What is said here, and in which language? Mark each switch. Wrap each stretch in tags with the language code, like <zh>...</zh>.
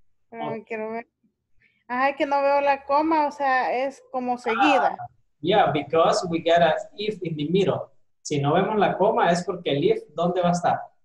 <es>Pero quiero ver. Ay, que no veo la coma, o sea, es como seguida.</es> <en>Yeah, because we got an if in the middle.</en> <es>Si no vemos la coma, es porque el if, ¿dónde va a estar?</es>